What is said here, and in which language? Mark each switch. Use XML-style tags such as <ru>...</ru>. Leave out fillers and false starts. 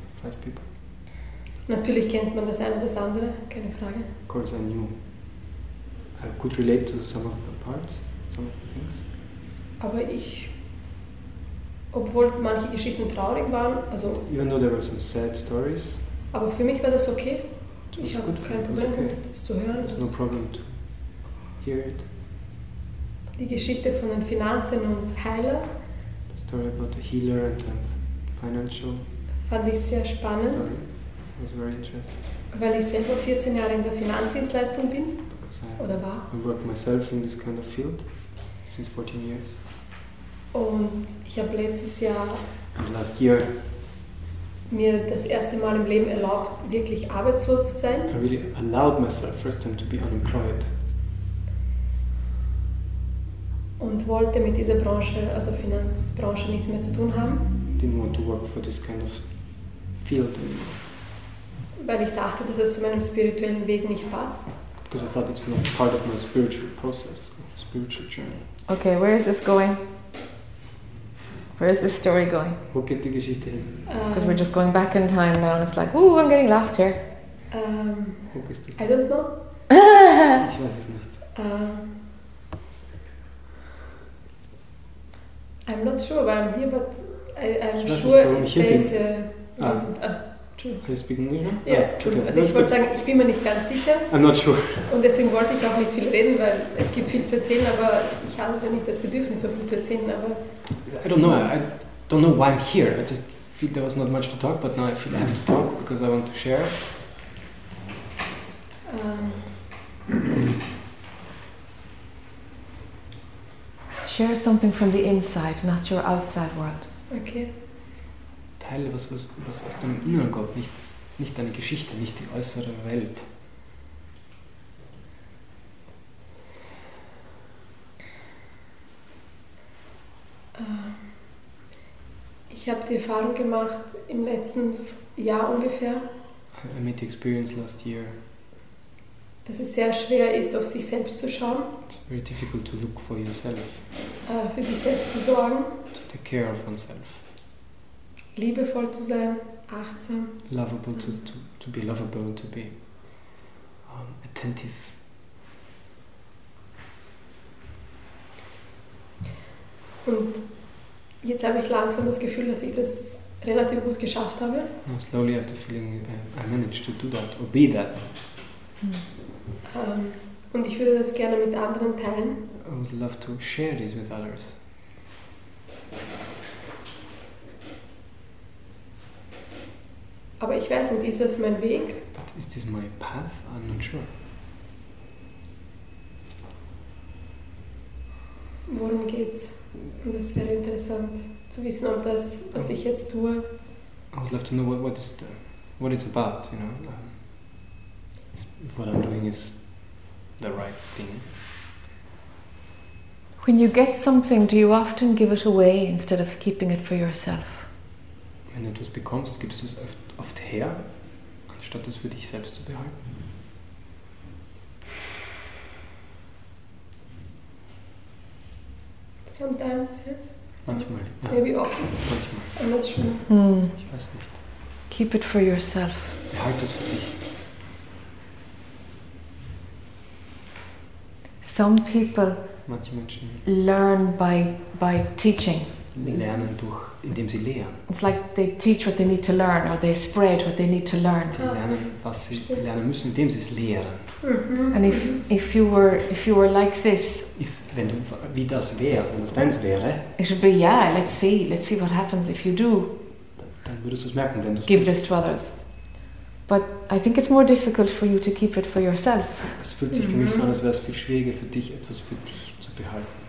<en>5 people.</en> <de>Natürlich kennt man das eine oder das andere, keine Frage.</de> <en>Of course I knew. I could relate to some of the parts, some of the things.</en> <de>Aber ich, obwohl manche Geschichten traurig waren, also...</de> <en>Even though there were some sad stories.</en> <de>Aber für mich war das okay. Ich habe kein Problem,</de> <en>okay.</en> <de>Das zu hören.</de> <en>There's no problem to hear it.</en> <de>Die Geschichte von den Finanzen und Heiler.</de> <en>The story about the healer and the financial.</en> <de>Fand ich sehr spannend.</de> <en>Story. It was very interesting.</en> <de>Weil ich selber 14 Jahre in der Finanzdienstleistung bin. Oder war.</de> <en>I work myself in this kind of field since 14 years.</en> <de>Und ich habe letztes Jahr</de> <en>and last year</en> <de>mir das erste Mal im Leben erlaubt, wirklich arbeitslos zu sein.</de> <en>I really allowed myself first time to be unemployed.</en> <de>Und wollte mit dieser Branche, also Finanzbranche, nichts mehr zu tun haben.</de> <en>Didn't want to work for this kind of field anymore.</en> <de>Weil ich dachte, dass es zu meinem spirituellen Weg nicht passt.</de> <en>Because I thought it's not part of my spiritual process, spiritual journey. Okay, where is this going? Where is this story going?</en> <de>Wo geht die Geschichte hin?</de> <en>Because we're just going back in time now, and it's like, ooh, I'm getting lost here.</en> <de>Wo gehst du?</de> <en>I don't know.</en> <de>Ich weiß es nicht.</de> <en>I'm not sure why I'm here, but I'm sure there's a... Are you speaking English?</en> <de>Ja, also ich wollte sagen, ich bin mir nicht ganz sicher.</de> <en>I'm not sure.</en> <de>Und deswegen wollte ich auch nicht viel reden, weil es gibt viel zu erzählen, aber ich habe nicht das Bedürfnis, so viel zu erzählen, aber...</de> <en>I don't know. I don't know why I'm here. I just feel there was not much to talk, but now I feel I have to talk, because I want to share. Share something from the inside, not your outside world. Okay.</en> <de>Teile was aus deinem inneren Gott, nicht deine Geschichte, nicht die äußere Welt. Ich habe die Erfahrung gemacht im letzten Jahr ungefähr.</de> <en>I made the experience last year.</en> <de>Dass es sehr schwer ist, auf sich selbst zu schauen.</de> <en>It's very difficult to look for yourself.</en> <de>Für sich selbst zu sorgen.</de> <en>To take care of oneself.</en> <de>Liebevoll zu sein, achtsam.</de> <en>Lovable, achtsam. To be lovable, to be attentive.</en> <de>Und jetzt habe ich langsam das Gefühl, dass ich das relativ gut geschafft habe.</de> <en>Now slowly I have the feeling I managed to do that, or be that.</en> <de>Und ich würde das gerne mit anderen teilen.</de> <en>I would love to share this with others.</en> <de>Aber ich weiß nicht, ist das mein Weg?</de> <en>But is this my path? I'm not sure.</en> <de>Worum geht's? Und das wäre interessant zu wissen, ob das, was ich jetzt tue.</de> <en>I would love to know what it's about, you know. If what I'm doing is the right thing. When you get something, do you often give it away instead of keeping it for yourself?</en> <de>Wenn du etwas bekommst, gibst du es oft her, anstatt es für dich selbst zu behalten.</de> <en>Sometimes, yes.</en> <de>Manchmal, ja.</de> <en>Maybe often.</en> <de>Manchmal.</de> <en>I'm not sure.</en> <de>Ich weiß nicht.</de> <en>Keep it for yourself.</en> <de>Behalte es für dich.</de> <en>Some people</en> <de>manche Menschen</de> <en>learn by teaching.</en> <de>Lernen durch, indem sie lehren.</de> <en>It's like they teach what they need to learn, or they spread what they need to learn.</en> <de>Die lernen, was sie lernen müssen, indem sie es lehren.</de> <en>Mm-hmm. And if you were like this,</en> <de>if, wenn du wie das wäre, wenn das deins wäre,</de> <en>it should be yeah. Let's see what happens if you do.</en> <de>Dann würdest du es merken, wenn du</de> <en>give this to others. But I think it's more difficult for you to keep it for yourself.</en> <de>Es fühlt sich für mich so an, als wäre es viel schwieriger für dich, etwas für dich zu behalten.</de>